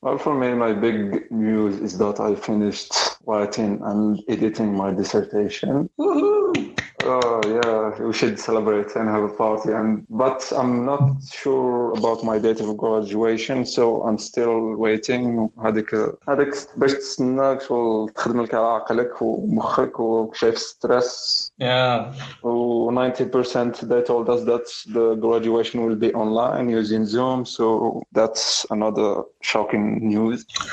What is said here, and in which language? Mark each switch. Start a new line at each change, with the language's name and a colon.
English: Well, for me, my big news is that I finished writing and editing my dissertation. Oh yeah, we should celebrate and have a party. But I'm not sure about my date of graduation, so I'm still waiting.
Arabic: هذيك باش تسنى تخدم لك على عقلك ومخك وشايف ستريس.
English: Yeah. 90% they told us that the graduation will be online using Zoom, so that's another shocking news.